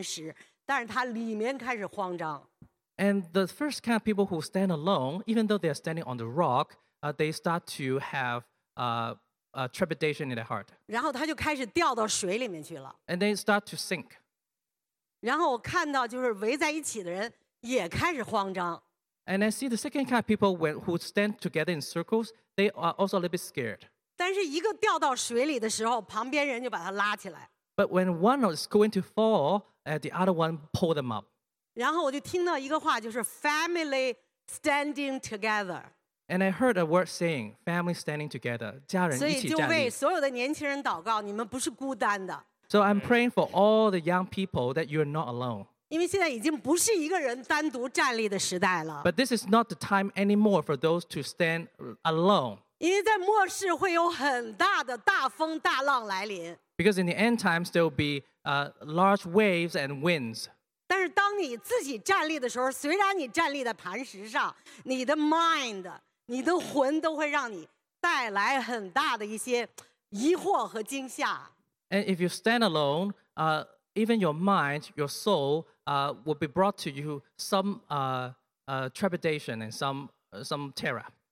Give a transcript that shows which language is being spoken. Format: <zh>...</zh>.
<zh>一个人站立的人就开始慌张，其实他脚下站着磐石，但是他里面开始慌张。</zh> <en>And the first kind of people who stand alone, even though they are standing on the rock, they start to have trepidation in their heart.</en> <zh>然后他就开始掉到水里面去了。</zh> <en>And they start to sink.</en> <zh>然后我看到就是围在一起的人也开始慌张。</zh> <en>And I see the second kind of people who stand together in circles, they are also a little bit scared.</en> <zh>但是一个掉到水里的时候，旁边人就把他拉起来。</zh> <en>But when one is going to fall, the other one pull them up.</en> <zh>然后我就听到一个话，就是</zh> <en>family standing together. And I heard a word saying, family standing together,</en> <zh>家人一起站立。所以就为所有的年轻人祷告，你们不是孤单的。</zh> <en>So I'm praying for all the young people that you are not alone.</en> <zh>因为现在已经不是一个人单独站立的时代了。</zh> <en>But this is not the time anymore for those to stand alone.</en> <zh>因为在末世会有很大的大风大浪来临。</zh> <en>Because in the end times, there will be large waves and winds.</en> <zh>但是当你自己站立的时候，虽然你站立在磐石上，你的 mind, 你的魂都会让你带来很大的一些疑惑和惊吓。</zh> <en>And if you stand alone, even your mind, your soul, will be brought to you some trepidation and some terror.</en>